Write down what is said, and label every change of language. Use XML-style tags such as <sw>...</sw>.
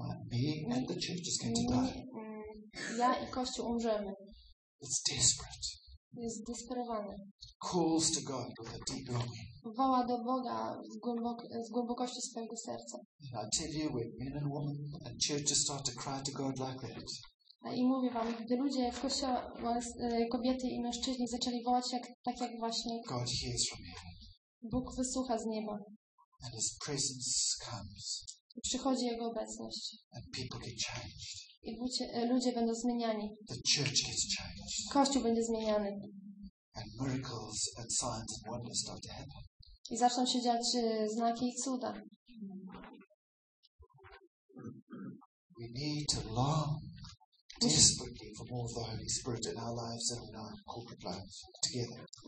<en>Me and the church is going to die.</en> <pl>Ja i Kościół umrzemy.</pl> <en>It's desperate.</en> <pl>Jest zdesperowany.</pl> <en>Calls to God with a deep longing.</en> <pl>Woła do Boga z głębokości swojego serca.</pl> <en>And I tell you, when men and women and churches start to cry to God like that.</en> <pl>I mówię wam, gdy ludzie w kościele, kobiety i mężczyźni zaczęli wołać tak jak właśnie</pl> <en>God hears from heaven.</en> <pl>Bóg wysłucha z nieba.</pl> <en>And his presence comes.</en> <pl>I przychodzi Jego obecność.</pl> <en>And people get changed.</en> <pl>I ludzie będą zmieniani.</pl> <en>The church gets changed.</en> <pl>Kościół będzie zmieniany.</pl> <en>And miracles and signs and wonders start to happen.</en> <pl>I zaczną się dziać znaki i cuda.</pl> <en>We need to long desperately for more of the Holy Spirit in our lives and in our corporate lives together.</en>